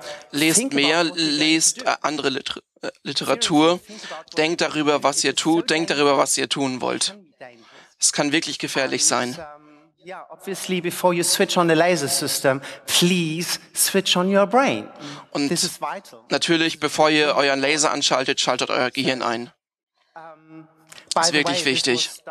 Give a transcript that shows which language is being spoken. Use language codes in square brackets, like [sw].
[de] Lest andere Literatur, denkt darüber, was ihr tun wollt. Es kann wirklich gefährlich sein. [en] Before you switch on the laser system, please switch on your brain. Und this is vital. [de] Natürlich, bevor ihr euren Laser anschaltet, schaltet euer Gehirn ein. Das ist wirklich wichtig.